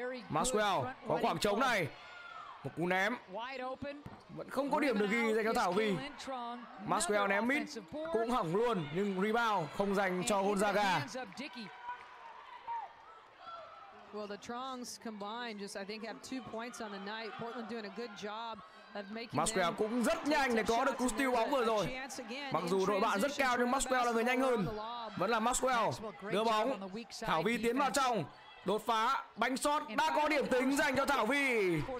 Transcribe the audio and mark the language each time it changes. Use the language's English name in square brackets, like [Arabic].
[Vietnamese] Maxwell có khoảng trống này. Một cú ném. Vẫn không có điểm được ghi dành cho Thảo My. Maxwell ném mid cũng hỏng luôn. Nhưng rebound không dành cho Gonzaga. [English] Well, the Trongs combined just I think have 2 points on the night. Portland doing a good job of making. [Vietnamese] Maxwell cũng rất nhanh để có được cú steal bóng vừa rồi. Mặc dù đội bạn rất cao nhưng Maxwell là người nhanh hơn. Vẫn là Maxwell đưa bóng. Thảo My tiến vào trong. Đột phá, bánh sót, đã có điểm tính dành cho Thảo My.